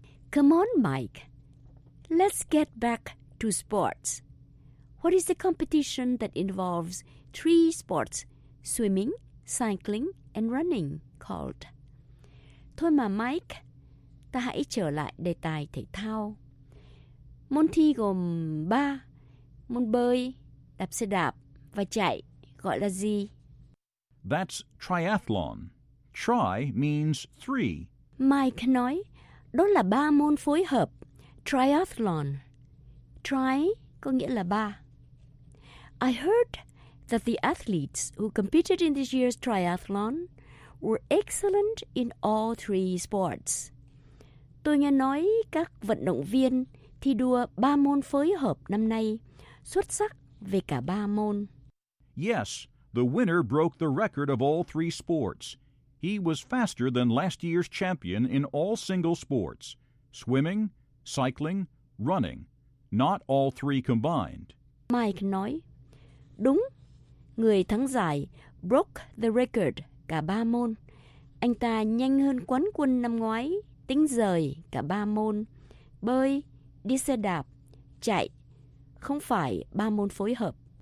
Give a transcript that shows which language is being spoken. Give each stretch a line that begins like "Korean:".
English: Come on, Mike. Let's get back to sports. What is the competition that involves three sports, swimming, cycling, and running, called?
Vietnamese: Thôi mà Mike, ta hãy trở lại đề tài thể thao. Môn thi gồm ba, môn bơi, đạp xe đạp và chạy, gọi là gì?
English: That's triathlon. Tri means three.
Vietnamese: Mike nói, đó là ba môn phối hợp, triathlon. Tri có nghĩa là ba.
English: I heard that the athletes who competed in this year's triathlon were excellent in all three sports.
Vietnamese: Tôi nghe nói các vận động viên thi đua ba môn phối hợp năm nay xuất sắc về cả ba môn.
English: Yes, the winner broke the record of all three sports. He was faster than last year's champion in all single sports, swimming, cycling, running, not all three combined.
Vietnamese: Mike nói, đúng, người thắng giải
English: broke the record
Vietnamese: cả ba môn. Anh ta nhanh hơn quán quân năm ngoái, tính rời cả ba môn, bơi, đi xe đạp, chạy, không phải ba môn phối hợp.